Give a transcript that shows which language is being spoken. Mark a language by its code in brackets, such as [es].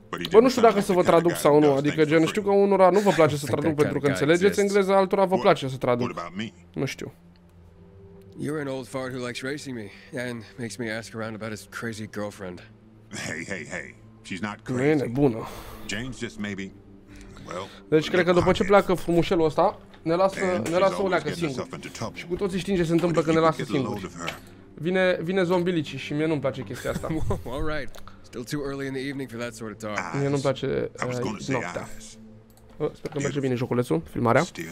[ro] Bă, nu știu dacă să vă traduc sau nu, adică gen, știu că unora nu vă place să traduc pentru că înțelegeți engleză, altora vă place să traduc. Nu știu. [en] You're an old fart who likes racing me and makes me ask around about his crazy girlfriend. Hey, hey, hey. She's not crazy. [ro] Nu e bună. [en] James just maybe. Well. [ro] Deci cred că după ce pleacă frumușelul ăsta, ne lasă unul acasă singur. Și cu toții știm ce se întâmplă când ne lasă singur. Vine zombilici și mie nu-mi place chestia asta. [en] All right. Still too early in the evening for that sort of talk. [ro] Mie nu-mi place noaptea. Sper că merge bine joculețul, filmarea.